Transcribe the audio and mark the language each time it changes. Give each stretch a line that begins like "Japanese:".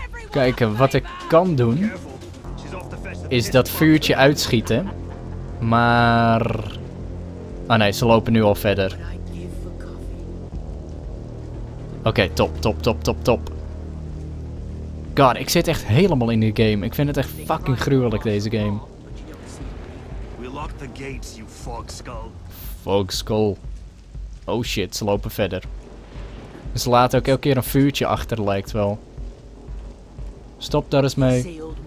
Dutch: Kijken, wat ik kan doen... is dat vuurtje uitschieten. Maar... ah nee, ze lopen nu al verder. Oké, top. God, ik zit echt helemaal in die game. Ik vind het echt fucking gruwelijk, deze game.
English: We locked the gates, you fog skull. Fog skull.
Dutch: Oh shit, ze lopen verder. Ze laten ook elke keer een vuurtje achter, lijkt wel. Stop daar eens mee.